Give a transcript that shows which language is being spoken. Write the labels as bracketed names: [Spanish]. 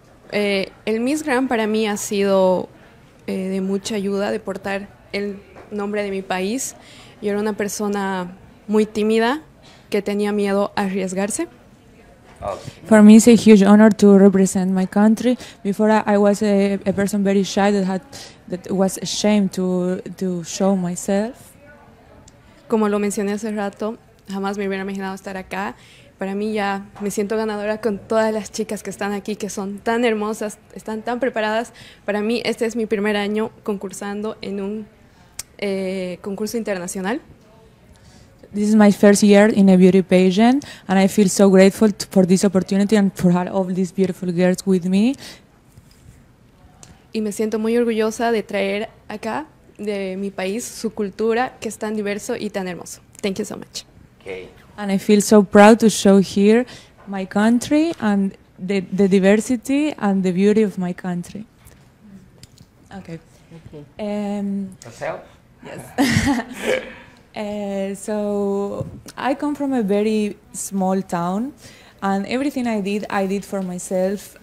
[Spanish] El Miss Grand para mí ha sido de mucha ayuda, de portar el nombre de mi país. Yo era una persona muy tímida que tenía miedo a arriesgarse. [English] For me, it's a huge honor to represent my country. Before, I was a person very shy that was ashamed to show myself. [Spanish] Como lo mencioné hace rato, jamás me hubiera imaginado estar acá. Para mí ya me siento ganadora con todas las chicas que están aquí, que son tan hermosas, están tan preparadas. Para mí, este es mi primer año concursando en un concurso internacional. [English] This is my first year in a beauty pageant, and I feel so grateful for this opportunity and for all these beautiful girls with me. [Spanish] Y me siento muy orgullosa de traer acá de mi país su cultura, que es tan diverso y tan hermoso. [English] Thank you so much. Okay. And I feel so proud to show here my country and the diversity and the beauty of my country. Okay. Okay. Yes. So I come from a very small town, and everything I did for myself.